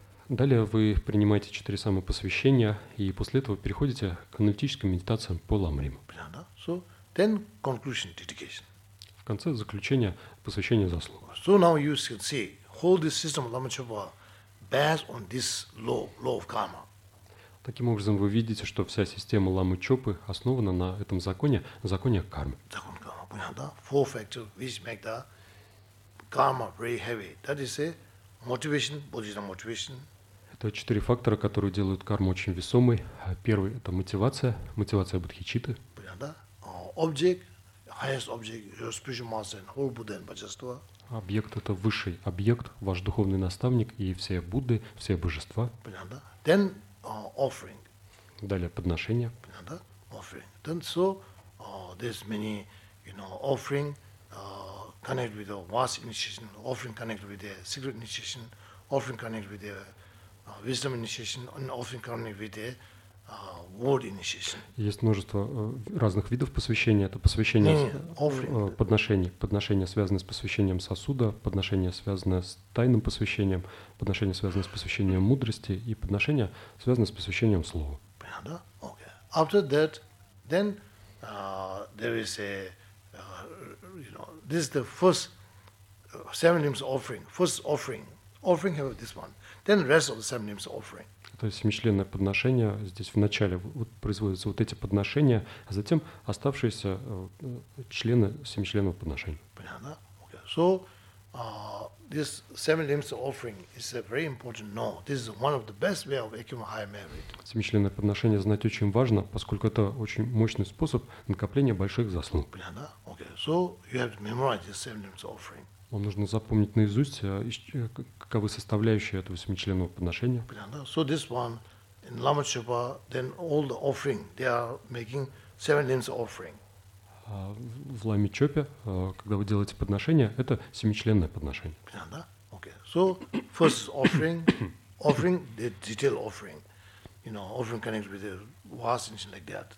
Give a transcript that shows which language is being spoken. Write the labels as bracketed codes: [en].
[ru] Далее вы принимаете 4 самопосвящения и после этого переходите к аналитическим медитациям по ламрим. [en] So then conclusion dedication. [ru] В конце заключение посвящение заслуг. [en] So now you can see whole this system of Lama Chöpa based on this law of karma. [ru] Таким образом вы видите, что вся система Ламы Чопы основана на этом законе кармы. Закон кармы, понятно? [en] 4 factors which make the karma very heavy. That is motivation, bodhicitta motivation. [ru] Это 4 фактора, которые делают карму очень весомой. Первый – это мотивация бодхичитты. Понятно? Объект, [en] highest object, your spiritual master, whole Buddha and Bodhisattva. [ru] Объект — это высший объект, ваш духовный наставник и все Будды, все божества. [en] Понятно? Then offering. [ru] Далее подношение. Понятно? Offering. [en] Then so there's many, you know, offering connected with the vast initiation, offering connected with the secret initiation, offering connected with the wisdom initiation, and offering connected with the word initiation. [ru] Есть множество разных видов посвящения. Это посвящение, подношение. Подношение, связанное с посвящением сосуда, подношение, связанное с тайным посвящением, подношение, связанное с посвящением мудрости и подношение, связанное с посвящением слова. Понятно? Okay. [en] After that, then there is a, you know, this is the first seven limbs offering. First offering. Offering have this one. Then rest of the seven limbs offering. [ru] То есть семичленное подношение здесь в начале вот производятся вот эти подношения, а затем оставшиеся члены семичленного подношения. Понятно? Okay. [en] So this seven limbs offering is a very important note. This is one of the best way of accumulating high merit. [ru] Семичленное подношение знать очень важно, поскольку это очень мощный способ накопления больших заслуг. Понятно? Okay. [en] So you have to memorize the seven limbs offering. [ru] Вам нужно запомнить наизусть, каковы составляющие этого семичленного подношения. Понятно? [en] So this one in Lama Chöpa, then all the offering, they are making seven limbs offering. [ru] В Ламе Чопе, когда вы делаете подношение, это семичленное подношение. Понятно? Okay. [en] So first offering, offering the detail offering, you know, offering connected with the vast intention like that.